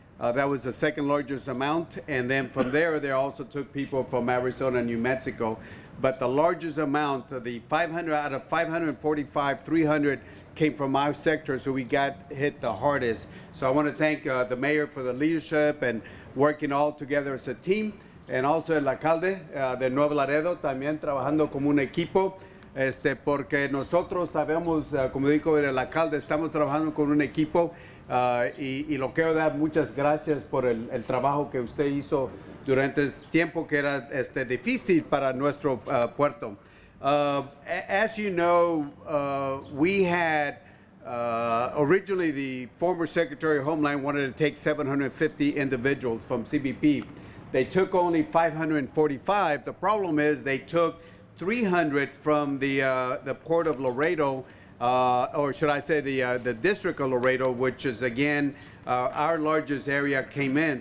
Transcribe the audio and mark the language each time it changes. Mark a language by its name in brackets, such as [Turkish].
[English] That was the second largest amount. And then from there, they also took people from Arizona and New Mexico. But the largest amount, the 500 out of 545, 300 came from our sector, so we got hit the hardest. So I want to thank the mayor for the leadership and working all together as a team. And also [Spanish] el alcalde de Nuevo Laredo, también trabajando como un equipo. Porque nosotros sabemos, como dijo el alcalde, estamos trabajando con un equipo. Y lo quiero dar muchas gracias por el trabajo que usted hizo durante el tiempo que era difícil para nuestro puerto. [English] As you know, we had originally the former Secretary of Homeland wanted to take 750 individuals from CBP. They took only 545. The problem is they took 300 from the port of Laredo, or should I say the district of Laredo, which is again our largest area came in.